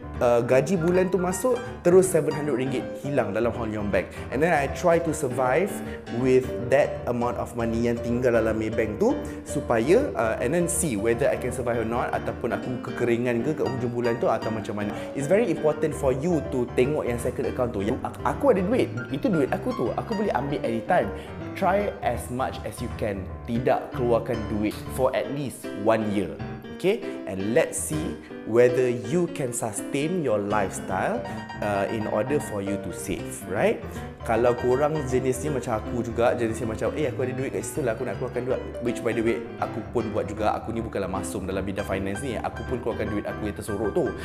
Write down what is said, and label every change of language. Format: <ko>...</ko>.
<ms>Gaji bulan tu masuk, terus RM700 hilang dalam Hong Leong Bank.</ms> <en>And then I try to survive with that amount of money</en> <ms>yang tinggal dalam Maybank tu, supaya</ms> <en>and then see whether I can survive or not,</en> <ms>ataupun aku kekeringan ke kat hujung bulan tu atau macam mana.</ms> <en>It's very important for you to</en> <ms>tengok yang</ms> <en>second account tu.</en> <ms>Aku ada duit, itu duit aku tu, aku boleh ambil anytime.</ms> <en>Try as much as you can</en> <ms>tidak keluarkan duit</ms> <en>for at least 1 year. Okay, and let's see whether you can sustain your lifestyle in order for you to save, right?</en> <ms>Kalau korang jenisnya macam aku juga, jenisnya macam, aku ada duit kat situ lah, aku nak keluarkan duit.</ms> <en>Which by the way,</en> <ms>aku pun buat juga. Aku ni bukanlah masum dalam bidang finance ni. Aku pun keluarkan duit aku yang tersorok tu.</ms>